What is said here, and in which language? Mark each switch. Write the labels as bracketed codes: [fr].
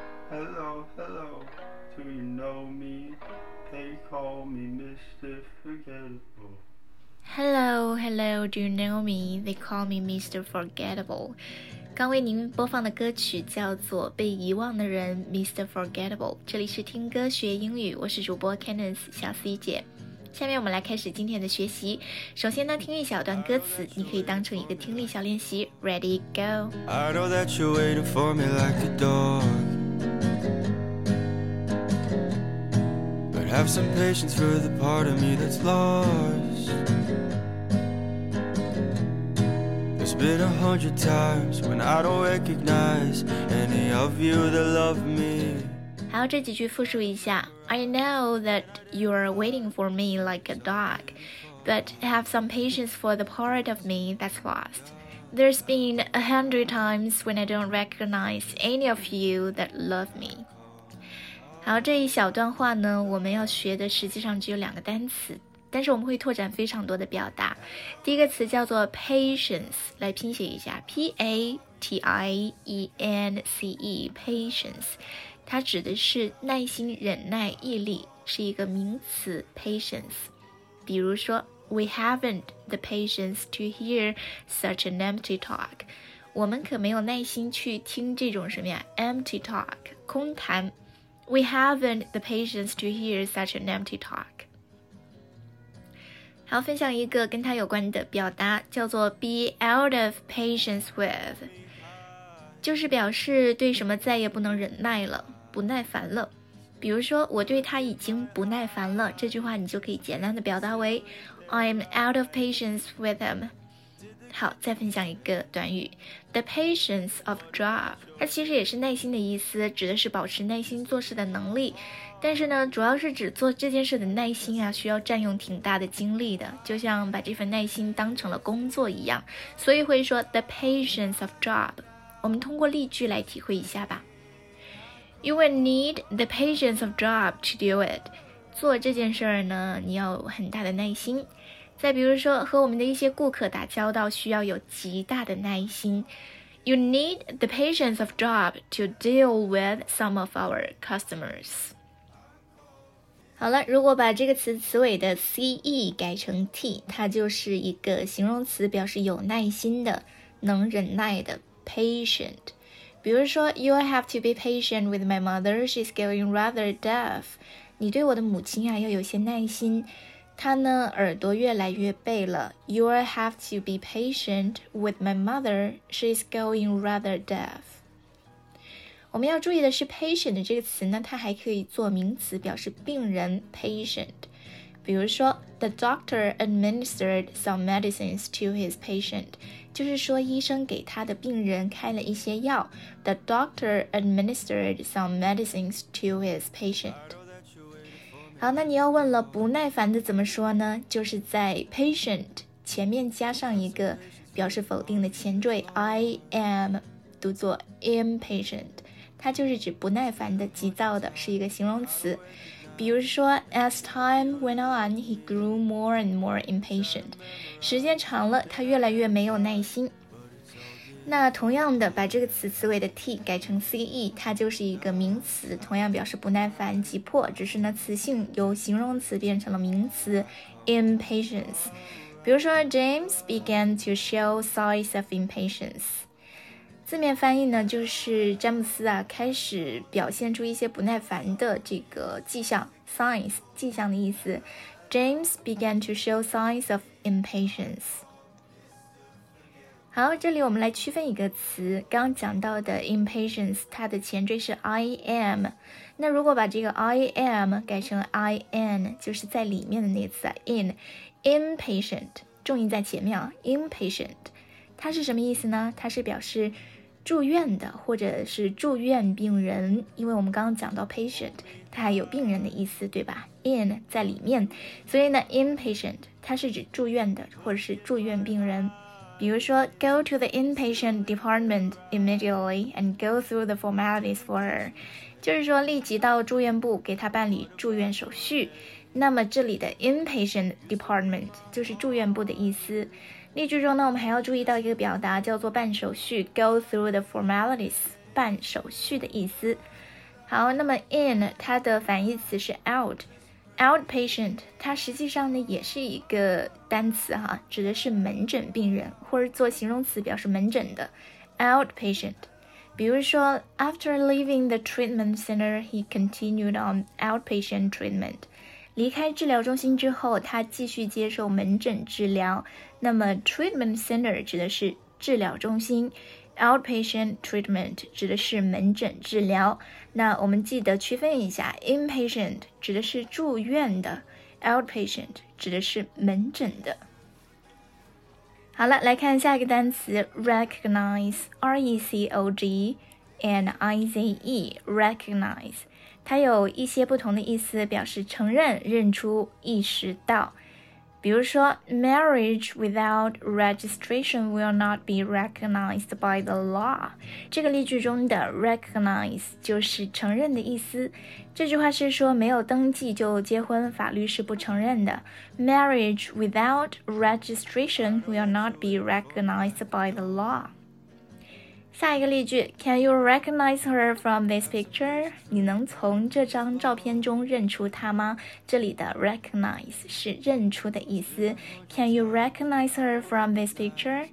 [en] Hello, hello, do you know me? They call me Mr. Forgettable. Hello, hello, do you know me? They call me Mr. Forgettable. [zh] 刚为您播放的歌曲叫做《被遗忘的人》，Mr. [en] Forgettable。 [zh] 这里是听歌学英语，我是主播 Candice 小 C 姐。下面我们来开始今天的学习。首先呢，听一小段歌词，你可以当成一个听力小练习。 [en] Ready, go. I know that you're waiting for me like a dog, but have some patience for the part of me that's lost. been 100 times when I don't recognize any of you that love me. [zh] 还有这几句复述一下。 [en] I know that you are waiting for me like a dog, but have some patience for the part of me that's lost. There's been 100 times when I don't recognize any of you that love me. [zh] 好，这一小段话呢，我们要学的实际上只有两个单词，但是我们会拓展非常多的表达。第一个词叫做 patience， 来拼写一下 P-A-T-I-E-N-C-E, patience。它指的是耐心、忍耐、毅力，是一个名词 patience。比如说 [en] We haven't the patience to hear such an empty talk， [zh] 我们可没有耐心去听这种什么呀 empty talk， 空谈。 [en] We haven't the patience to hear such an empty talk。 [zh] 好，分享一个跟它有关的表达，叫做 [en] be out of patience with， [zh] 就是表示对什么再也不能忍耐了，不耐烦了。比如说我对他已经不耐烦了，这句话你就可以简单的表达为 [en] I'm out of patience with him。 [zh] 好，再分享一个短语 [en] The patience of Job， [zh] 它其实也是耐心的意思，指的是保持耐心做事的能力，但是呢主要是指做这件事的耐心啊，需要占用挺大的精力的，就像把这份耐心当成了工作一样，所以会说 The patience of Job。我们通过例句来体会一下吧。 [en] You will need the patience of Job to do it. [zh] 做这件事儿呢，你要很大的耐心。再比如说，和我们的一些顾客打交道需要有极大的耐心。 [en] You need the patience of Job to deal with some of our customers. [zh] 好了，如果把这个词词尾的 ce 改成 t， 它就是一个形容词，表示有耐心的，能忍耐的。 [en] Patient， 比如说 You have to be patient with my mother. She's getting rather deaf. [zh] 你对我的母亲啊要有些耐心，她呢耳朵越来越背了。 [en] You have to be patient with my mother. She's getting rather deaf. [zh] 我们要注意的是 patient 这个词呢，它还可以做名词，表示病人 patient。 [en] 比如说 The doctor administered some medicines to his patient， [zh] 就是说医生给他的病人开了一些药。 [en] The doctor administered some medicines to his patient。 [zh] 好，那你要问了，不耐烦的怎么说呢？就是在 patient 前面加上一个表示否定的前缀 I am， 读作 impatient， 它就是指不耐烦的、急躁的，是一个形容词。比如说 [en] As time went on, he grew more and more impatient. [zh] 时间长了，他越来越没有耐心。那同样的，把这个词词尾的 t 改成 ce， 它就是一个名词，同样表示不耐烦、急迫，只是呢词性由形容词变成了名词 impatience。比如说 [en] James began to show signs of impatience。 [zh] 字面翻译呢，就是詹姆斯啊开始表现出一些不耐烦的这个迹象 ，signs 迹象的意思。 [en] James began to show signs of impatience。 [zh] 好，这里我们来区分一个词，刚讲到的 impatience， 它的前缀是 I am。那如果把这个 I am 改成 I n， 就是在里面的那词、啊、in impatient， 重音在前面啊 ，impatient。它是什么意思呢？它是表示住院的或者是住院病人，因为我们刚刚讲到 patient， 它还有病人的意思，对吧？ in 在里面，所以呢 inpatient 它是指住院的或者是住院病人。 [en] 比如说 go to the inpatient department immediately and go through the formalities for her， [zh] 就是说立即到住院部给她办理住院手续。那么这里的 inpatient department 就是住院部的意思。例句中呢，我们还要注意到一个表达叫做办手续 [en] go through the formalities， [zh] 办手续的意思。好，那么 in 它的反义词是 out， outpatient 它实际上呢也是一个单词哈，指的是门诊病人，或者做形容词表示门诊的 outpatient。比如说 [en] after leaving the treatment center he continued on outpatient treatment， [zh] 离开治疗中心之后，他继续接受门诊治疗。那么 treatment center 指的是治疗中心， outpatient treatment 指的是门诊治疗。那我们记得区分一下， inpatient 指的是住院的， outpatient 指的是门诊的。好了，来看下一个单词 recognize, R-E-C-O-G-N-I-Z-E, recognize. 它有一些不同的意思，表示承认、认出、意识到。比如说 [en] marriage without registration will not be recognized by the law. [zh] 这个例句中的 recognize 就是承认的意思。这句话是说没有登记就结婚，法律是不承认的。 [en] Marriage without registration will not be recognized by the law. [zh] 下一个例句 [en] Can you recognize her from this picture? [zh] 你能从这张照片中认出她吗？这里的 recognize 是认出的意思。 [en] Can you recognize her from this picture?